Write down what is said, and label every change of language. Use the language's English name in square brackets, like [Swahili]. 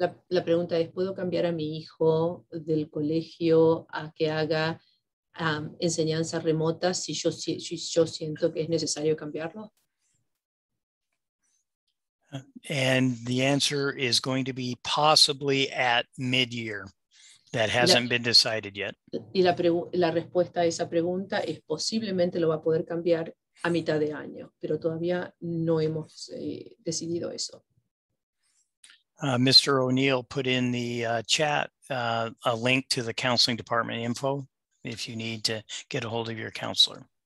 [Spanish] La pregunta es, ¿puedo cambiar a mi hijo del colegio a que haga enseñanza remota si yo siento que es necesario cambiarlo? [English] And the answer is going to be possibly at mid-year. That hasn't been decided yet. [Spanish] Y la respuesta a esa pregunta es posiblemente lo va a poder cambiar a mitad de año, pero todavía no hemos decidido eso. [English] Mr. O'Neill put in the chat a link to the counseling department info if you need to get a hold of your counselor.